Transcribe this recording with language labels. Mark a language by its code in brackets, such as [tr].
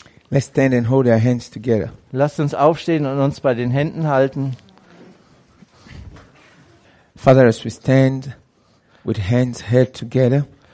[en] Let's stand and hold our hands together. [de] Lasst uns aufstehen und uns bei den Händen halten. [en] Father, as we stand with hands held together.